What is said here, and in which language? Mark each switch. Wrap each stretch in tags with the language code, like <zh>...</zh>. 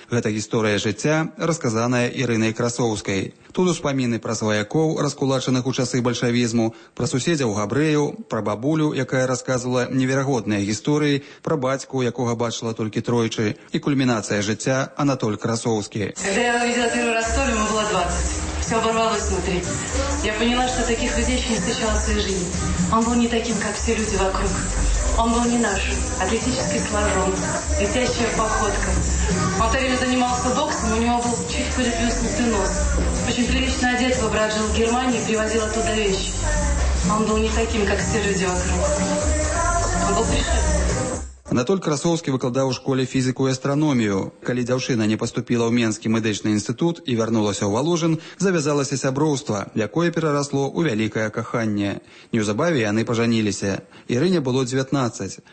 <be>Гэта гісторыя жыцця, расказаная Ірынай Красоўскай. Тут успаміны пра сваякоў, раскулачаных у часы бальшавізму, пра суседзяў габрэяў, пра бабулю, якая расказвала неверагодныя гісторыі, пра бацьку, якога бачыла толькі тройчы, і кульмінацыя жыцця Анатоль Красоўскі.</be> <ru>Я видела ты раз столі, мы было 20. Все оборвалось внутри. Я поняла, что таких людей еще не встречала в своей жизни. Он был не таким, как все люди вокруг. Он был не наш. Атлетический сложен, летящая походка. Он то время занимался боксом, у него был чуть приплюснутый нос. Очень прилично одет, его брат жил в Германии и привозил оттуда вещи. Он был не таким, как все люди вокруг. Он был пришельцем.</ru> <be>Анатоль Красоўскі выкладаў у школе фізіку і астраномію. Калі дзяўчына не паступіла ў Менскі медычны інстытут і вярнулася ў Валужын, завязалася сяброўства, якое перарасло ў вялікае каханне. Неўзабаве яны пажаніліся. Ірыне было 19.</be>